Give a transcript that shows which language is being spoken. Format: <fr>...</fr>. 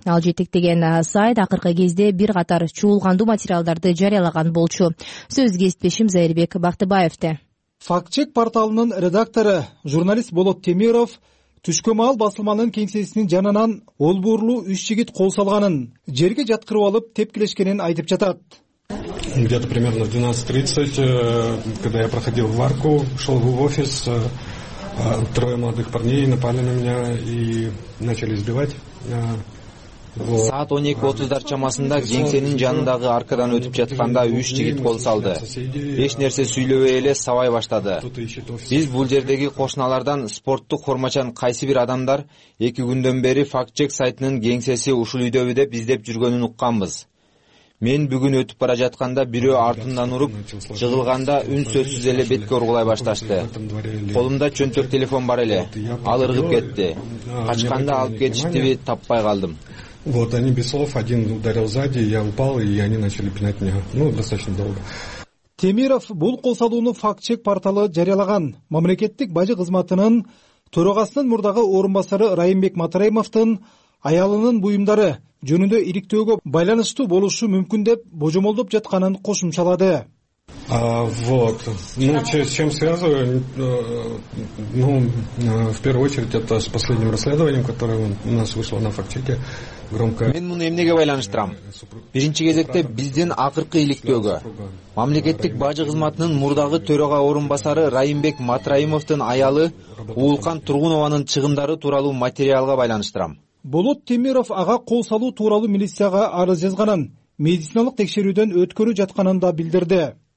<ky>Ал жетектеген сайт акыркы кезде бир катар чуулгандуу материалдарды жарыялаган болчу. Сөз кесиптешим Зайырбек Бактыбаевте. Факт чек порталынын редактору журналист Болот Темиров түшкө маал басылманын кеңсесинин жанынан олборлуу үч жигит кол салганын, жерге жаткырып алып тепкилешкенин айтып жатат.</ky> <ru>Где-то примерно в 12:30, когда я проходил в арку, шел в офис, трое молодых парней напали на меня и начали избивать.</ru> <ky>Саат 12:30 чамасында кеңсенин жанындагы аркадан өтүп жатканда үч жигит кол салды. Эч нерсе сүйлөбөй эле сабай баштады. Биз бул жердеги кошуналардан спорттук формачан кайсы бир адамдар 2 күндөн бери фактчек сайтынын кеңсеси ушул үйдөбү деп издеп жүргөнүн укканбыз. Мен бүгүн өтүп бара жатканда бирөө артымдан уруп, жыгылганда үнсөзсүз эле бетке ургулай башташты. Колумда чөнтөк телефон бар эле. Ал ыргып кетти. Качканда алып кетиштиби, таппай калдым.</ky> <ru>Вот они без слов один ударил сзади, я упал и они начали пинать меня. Ну, достаточно долго.</ru> <ky>Темиров бул кол салууну фактчек порталы жарыялаган. Мамлекеттик бажы кызматынын төрагасынын мурдагы орун басары Райымбек Матраимовтун аялынын буюмдары жөнүндө иликтөөгө байланыштуу болушу мүмкүн деп божомолдоп жатканын кошумчалады.</ky> <ru>Вот. Ну, чем связываю? Ну, в первую очередь, это с последним расследованием, которое у нас вышло на фактчеке.</ru> <ky>Мен муну эмнеге байланыштырам? Биринчи кезекте биздин акыркы иликтөөгө. Мамлекеттик бажы кызматынын мурдагы төрага орун басары Райымбек Матраимовтун аялы Уулкан Тургунованын чыгымдары тууралуу материалга байланыштырам. Болот Темиров ага кол салуу тууралуу милицияга арыз жазганын, медициналык текшерүүдөн өткөрүп жатканын да билдирди.</ky>